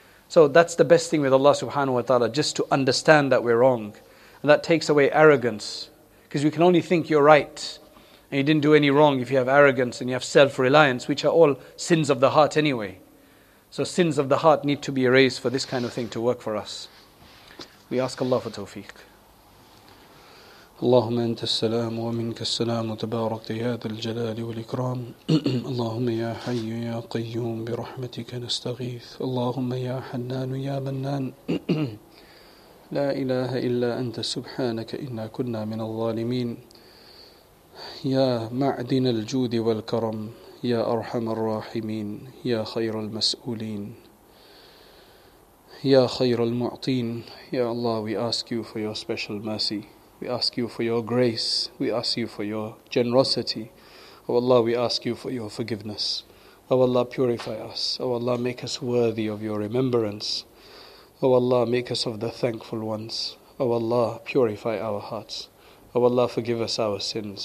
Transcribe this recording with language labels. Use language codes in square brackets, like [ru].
[en] So that's the best thing with Allah subhanahu wa ta'ala, just to understand that we're wrong. And that takes away arrogance, because we can only think you're right and you didn't do any wrong if you have arrogance and you have self-reliance, which are all sins of the heart anyway. So sins of the heart need to be erased for this kind of thing to work for us. We ask Allah for tawfiq. [ar] اللهم أنت السلام ومنك السلام تبارك يا ذا الجلال والإكرام اللهم يا حي يا قيوم برحمتك نستغيث اللهم يا حنان يا منان لا إله إلا أنت سبحانك إنا كنا من الظالمين يا معدن الجود والكرم يا أرحم الراحمين يا خير المسؤولين يا خير المعطين يا الله [en] we ask you for your special mercy. We ask you for your grace. We ask you for your generosity. O Allah, we ask you for your forgiveness. O Allah, purify us. O Allah, make us worthy of your remembrance. O Allah, make us of the thankful ones. O Allah, purify our hearts. O Allah, forgive us our sins.